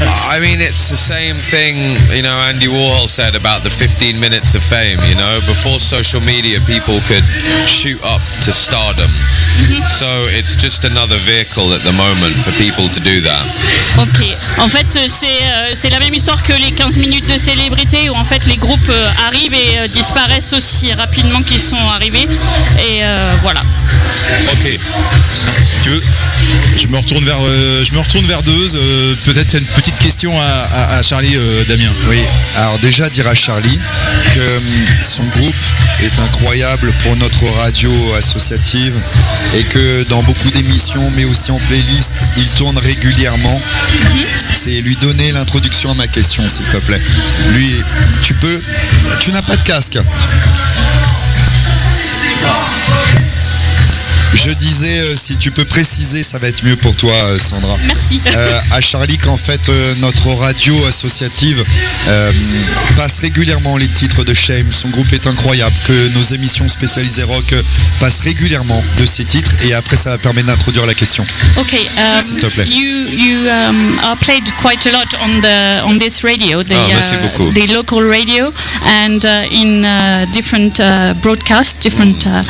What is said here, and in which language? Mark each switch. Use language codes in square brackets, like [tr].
[en] I mean, it's the same thing, you know, Andy Warhol said about the 15 minutes of fame, you know. Before social media, people could shoot up to stardom. So it's just another vehicle at the moment for people to do that. [fr] Ok, en fait c'est la même histoire que les 15 minutes de célébrité, où en fait les groupes arrivent et disparaissent aussi rapidement qu'ils sont arrivés, et voilà. Ok, tu veux, je me retourne vers Deuze, peut-être une petite question à Charlie. Damien, oui, alors déjà dire à Charlie que son groupe est incroyable pour notre radio associative et que dans beaucoup d'émissions mais aussi en playlist il tourne régulièrement. C'est lui donner l'introduction à ma question, s'il te plaît. Lui, tu n'as pas de casque. Je disais, si tu peux préciser, ça va être mieux pour toi, Sandra. Merci. À Charlie, qu'en fait, notre radio associative passe régulièrement les titres de Shame. Son groupe est incroyable. Que nos émissions spécialisées rock passent régulièrement de ces titres. Et après, ça permet d'introduire la question. Ok. S'il te plaît. [en] You are played quite a lot on this radio. [fr] Merci beaucoup. [en] The local radio and in different broadcasts, different.